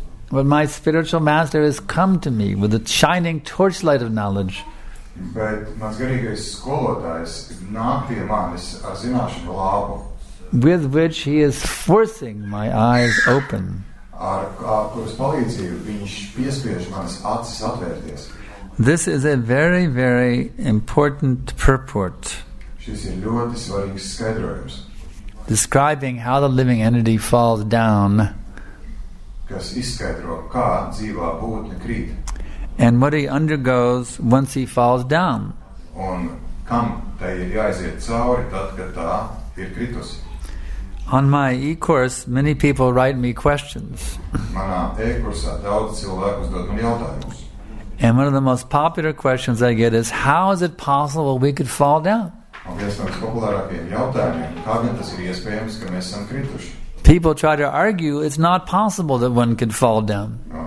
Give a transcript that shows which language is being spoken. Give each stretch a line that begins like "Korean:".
English: But my spiritual master has come to me with the shining torchlight of knowledge.
Latvian: Bet mans garīgais skolotājs nāk pie manis ar zināšanu labu.
English: With which he is forcing my eyes open.
Latvian: Ar kuras palīdzību viņš piespiež manas acis atvērties.
English: This is a very, very important purport.
Latvian: Šis ir ļoti svarīgs skaidrojums.
English: Describing how the living entity falls down.
Latvian: Kas izskaidro, kā dzīvā būtne krīt.
English: And what he undergoes once he falls down.
Latvian: Un kam tai ir jāiziet cauri, tad, kad tā ir kritusi.
English: On my e-course, many people write me questions.
Latvian: Manā e-kursā daudz cilvēku uzdod man jautājumus.
English: And one of the most popular questions I get is, how is it possible we could fall down?
Latvian: Un viens no populārākajiem jautājumiem, kādēļ tas ir iespējams, ka mēs esam krituši.
English: People try to argue it's not possible that one could fall down.